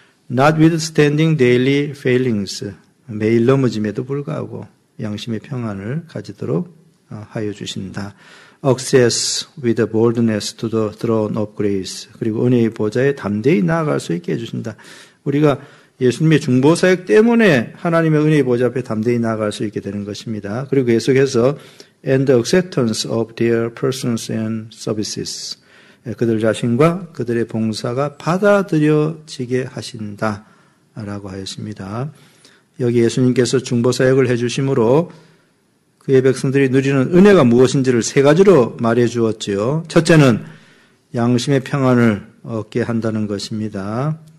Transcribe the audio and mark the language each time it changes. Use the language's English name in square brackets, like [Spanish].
[English] Notwithstanding daily failings, [Korean] 매일 넘어짐에도 불구하고 양심의 평안을 가지도록 하여 주신다. [English] Access with boldness to the throne of grace, [Korean] 그리고 은혜의 보좌에 담대히 나아갈 수 있게 해주신다. 우리가 예수님의 중보사역 때문에 하나님의 은혜의 보좌 앞에 담대히 나아갈 수 있게 되는 것입니다. 그리고 계속해서 [English] and the acceptance of their persons and services. [Korean] 그들 자신과 그들의 봉사가 받아들여지게 하신다 라고 하였습니다. 여기 예수님께서 중보사역을 해주심으로 그의 백성들이 누리는 은혜가 무엇인지를 세 가지로 말해 주었지요. 첫째는 양심의 평안을 얻게 한다는 것입니다.